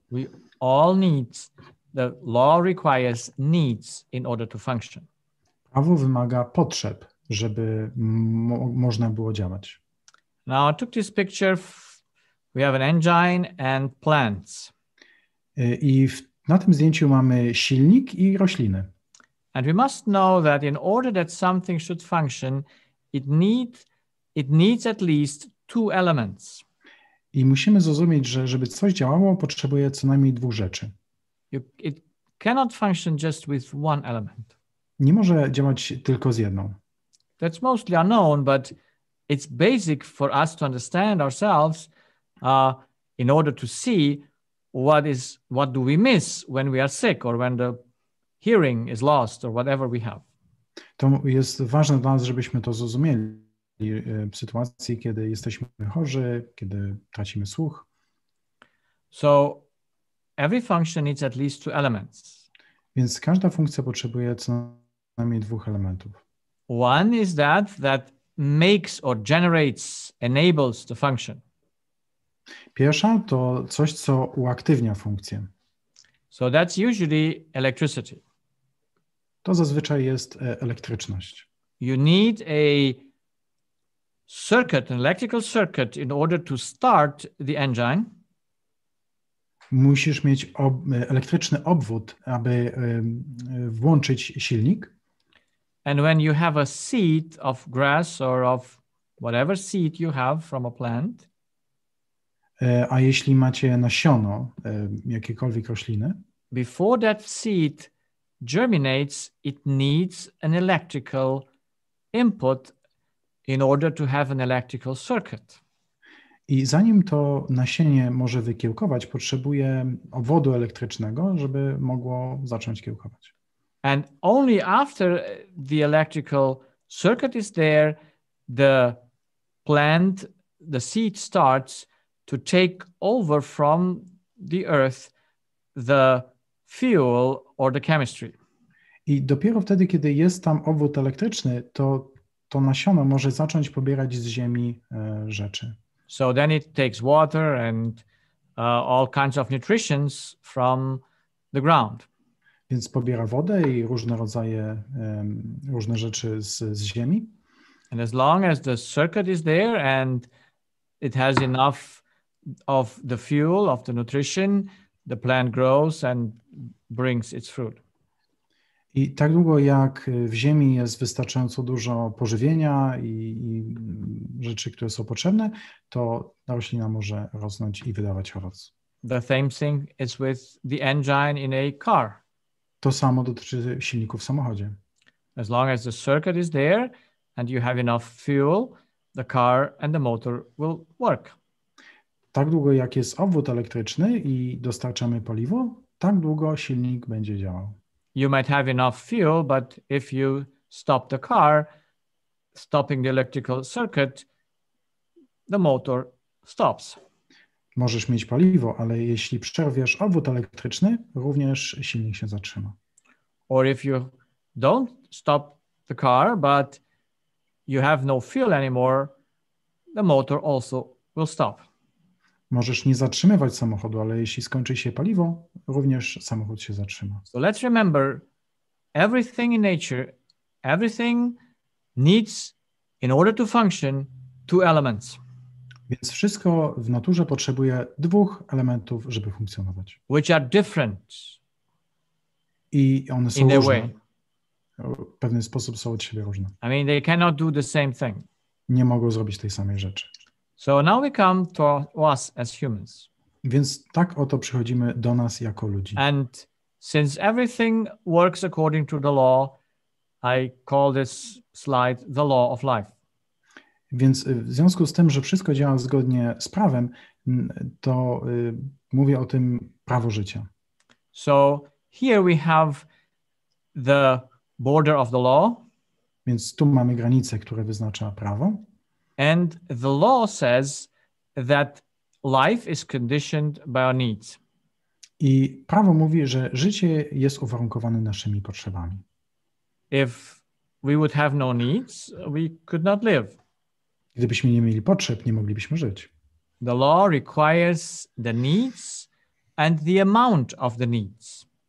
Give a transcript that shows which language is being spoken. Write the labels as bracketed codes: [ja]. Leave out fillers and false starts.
[en] We all need, the law requires needs in order to function. [pl] Prawo wymaga potrzeb, żeby można było działać. [en] Now I took this picture. We have an engine and plants. [pl] I na tym zdjęciu mamy silnik i rośliny. [en] And we must know that in order that something should function, it needs at least two elements. [pl] I musimy zrozumieć, że żeby coś działało, potrzebuje co najmniej dwóch rzeczy. [en] It cannot function just with one element. [pl] Nie może działać tylko z jedną. [en] That's mostly unknown, but it's basic for us to understand ourselves in order to see what do we miss when we are sick or when the hearing is lost or whatever we have. [pl] To jest ważne dla nas, żebyśmy to zrozumieli w sytuacji, kiedy jesteśmy chorzy, kiedy tracimy słuch. [en] So every function needs at least two elements. [pl] Więc każda funkcja potrzebuje co najmniej dwóch elementów. [en] One is that makes or generates, enables the function. [pl] Pierwsza to coś, co uaktywnia funkcję. [en] So that's usually electricity. [pl] To zazwyczaj jest elektryczność. [en] You need a circuit, an electrical circuit, in order to start the engine. [pl] Musisz mieć elektryczny obwód, aby włączyć silnik. [en] And when you have a seed of grass or of whatever seed you have from a plant. [pl] A jeśli macie nasiono jakiejkolwiek rośliny. [en] Before that seed germinates, it needs an electrical input in order to have an electrical circuit. [pl] I zanim to nasienie może wykiełkować, potrzebuje obwodu elektrycznego, żeby mogło zacząć kiełkować. [en] And only after the electrical circuit is there, the plant, the seed starts to take over from the earth the fuel or the chemistry. [pl] I dopiero wtedy, kiedy jest tam obwód elektryczny, to nasiono może zacząć pobierać z ziemi rzeczy. [en] So then it takes water and all kinds of nutrients from the ground. [pl] Więc pobiera wodę i różne rodzaje, różne rzeczy z ziemi. [en] And as long as the circuit is there and it has enough of the fuel, of the nutrition, the plant grows and brings its fruit. [pl] I tak długo jak w ziemi jest wystarczająco dużo pożywienia i rzeczy, które są potrzebne, to ta roślina może rosnąć i wydawać owoc. [en] The same thing is with the engine in a car. [pl] To samo dotyczy silników w samochodzie. [en] As long as the circuit is there and you have enough fuel, the car and the motor will work. [pl] Tak długo jak jest obwód elektryczny i dostarczamy paliwo, tak długo silnik będzie działał. [en] You might have enough fuel, but if you stop the car, stopping the electrical circuit, the motor stops. [pl] Możesz mieć paliwo, ale jeśli przerwiesz obwód elektryczny, również silnik się zatrzyma. [en] Or if you don't stop the car, but you have no fuel anymore, the motor also will stop. [pl] Możesz nie zatrzymywać samochodu, ale jeśli skończy się paliwo, również samochód się zatrzyma. [en] So let's remember, everything in nature, everything needs, in order to function, two elements. [pl] Więc wszystko w naturze potrzebuje dwóch elementów, żeby funkcjonować. [en] Which are different. [pl] I one są różne. W pewien sposób są od siebie różne. [en] I mean, they cannot do the same thing. [pl] Nie mogą zrobić tej samej rzeczy. [en] So now we come to us as humans. [pl] Więc tak oto przychodzimy do nas jako ludzi. [en] And since everything works according to the law, I call this slide the law of life. [pl] Więc w związku z tym, że wszystko działa zgodnie z prawem, to mówię o tym prawo życia. [en] So here we have the border of the law. [pl] Więc tu mamy granicę, które wyznacza prawo. [en] And the law says that life is conditioned by our needs. [pl] I prawo mówi, że życie jest uwarunkowane naszymi potrzebami. [en] If we would have no needs, we could not live. [pl] Gdybyśmy nie mieli potrzeb, nie moglibyśmy żyć. [en] The law requires the needs and the amount of the needs.